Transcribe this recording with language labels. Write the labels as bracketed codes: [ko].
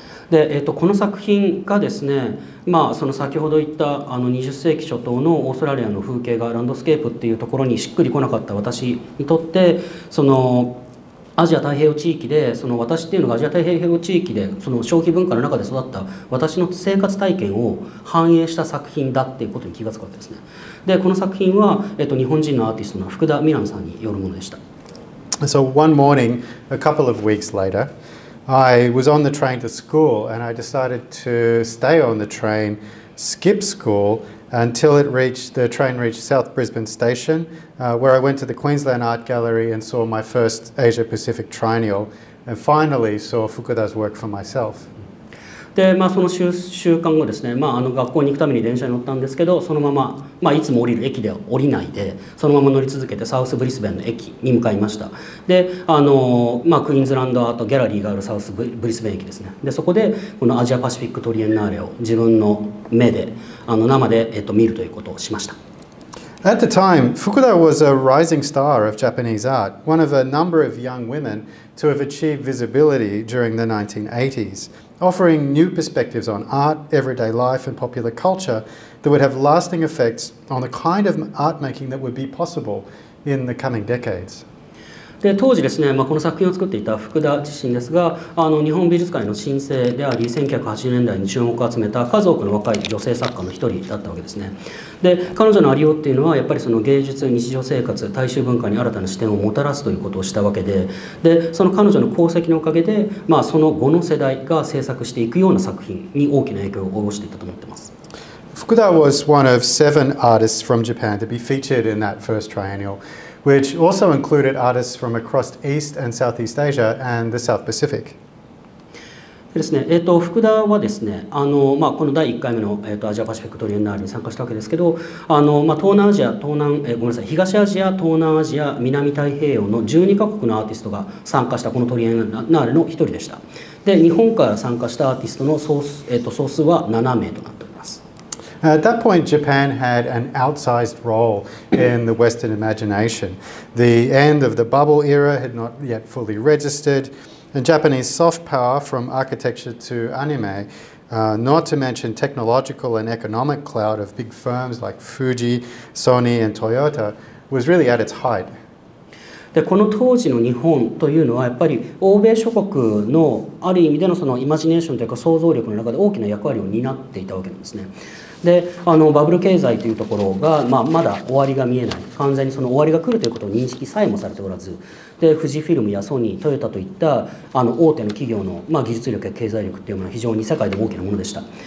[ja] で、この作品がですね、その先ほど言った20世紀初頭のオーストラリアの風景画ランドスケープっていうところにしっくりこなかった私にとって、そのアジア太平洋地域で、その私っていうのがアジア太平洋地域でその消費文化の中で育った私の生活体験を反映した作品だっていうことに気がつくわけですね。で、この作品は、日本人のアーティストの福田美蘭さんによるものでした。 [en] So one morning, a couple of weeks later, I was on the train to school and I decided to stay on the train, skip school until it reached, the train reached South Brisbane Station, where I went to the Queensland Art Gallery and saw my first Asia Pacific Triennial and finally saw Fukuda's work for myself. [ja] で、まあ、その 週間後ですね、まあ、あの学校に行くために電車に乗ったんですけど、そのまま、まあ、いつも降りる駅では降りないで、そのまま乗り続けてサウスブリスベンの駅に向かいました。で、まあ、クイーンズランドアートギャラリーがあるサウスブリスベン駅ですね。で、そこでこのアジアパシフィックトリエンナーレを自分の目で、生で、見るということをしました。 [en] At the time, Fukuda was a rising star of Japanese art, one of a number of young women to have achieved visibility during the 1980s. Offering new perspectives on art, everyday life, and popular culture that would have lasting effects on the kind of art making that would be possible in the coming decades. [ja] で当時ですね、まあ、この作品を作っていた福田自身ですが、日本美術界の新星であり、1980年代に注目を集めた数多くの若い女性作家の一人だったわけですね。で、彼女のありようっていうのは、やっぱりその芸術、日常生活、大衆文化に新たな視点をもたらすということをしたわけで、でその彼女の功績のおかげで、まあ、その後の世代が制作していくような作品に大きな影響を及ぼしていたと思っています。 [en] 福田 was one of seven artists from Japan to be featured in that first triennial. Which also included artists from across East and Southeast Asia and the South Pacific. [ja] ですね、福田はですね、まあ、この第1回目の、アジアパシフィックトリエンナーレに参加したわけですけど、まあ、東アジア、東南アジア、南太平洋の12カ国のアーティストが参加したこのトリエンナーレの一人でした。で、日本から参加したアーティストの総数は7名となった。 [en] At that point, Japan had an outsized role in the Western imagination. The end of the bubble era had not yet fully registered, and Japanese soft power from architecture to anime, not to mention technological and economic clout of big firms like Fuji, Sony, and Toyota, was really at its height. [ja] でこの当時の日本というのはやっぱり欧米諸国のある意味での そのイマジネーションというか想像力の中で大きな役割を担っていたわけなんですね。でバブル経済というところが、まあ、まだ終わりが見えない、完全にその終わりが来るということを認識さえもされておらず、で富士フィルムやソニー、トヨタといった大手の企業の、まあ、技術力や経済力というものは非常に世界で大きなものでした。